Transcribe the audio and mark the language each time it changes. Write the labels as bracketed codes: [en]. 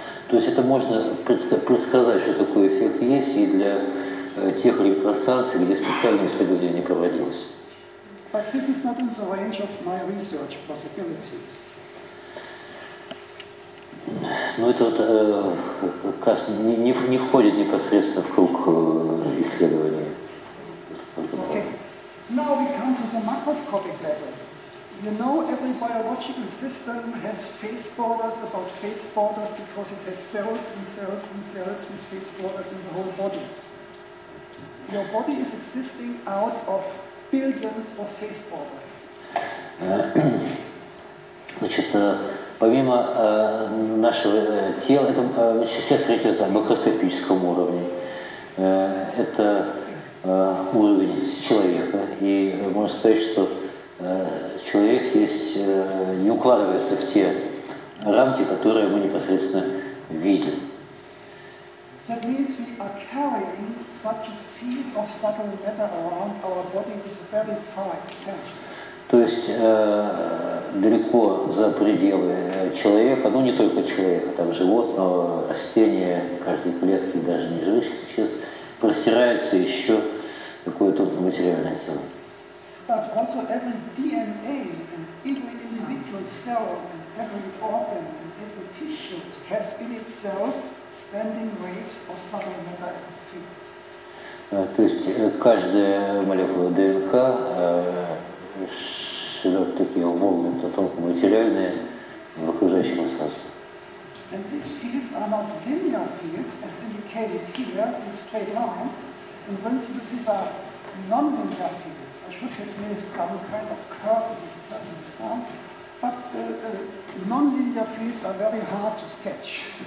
[ru] То есть это можно предсказать, что такой эффект есть и для тех электростанций, где специальное исследование не проводилось. [en] But this is not in the range of my research possibilities. [ru] Ну это вот как раз не входит непосредственно в круг исследования. [en] Okay. Now we come to the macroscopic level. You know, every biological system has face borders about face borders because it has cells and cells and cells with face borders in the whole body. Your body is existing out of billions of face borders. [ru] Значит, помимо нашего тела, это сейчас речь идет о макроскопическом уровне. Это уровень человека, и можно сказать, что человек есть, не укладывается в те рамки, которые мы непосредственно видим. [en] That means we are carrying such a field of subtle matter around our body with a very far extension. [ru] То есть далеко за пределы человека, ну не только человека, там животного, растения, каждой клетки, даже неживых существ, простирается еще такое материальное тело. [en] But also every DNA and every individual cell and every organ and every tissue has in itself standing waves of subtle matter as a field. [ru] То есть каждая молекула ДНК шлёт такие волны, то толком материальные в окружающем пространстве. [en] And these fields are not linear fields, as indicated here in straight lines. In principle, these are non-linear fields. I should have made some kind of curve, but non-linear fields are very hard to sketch.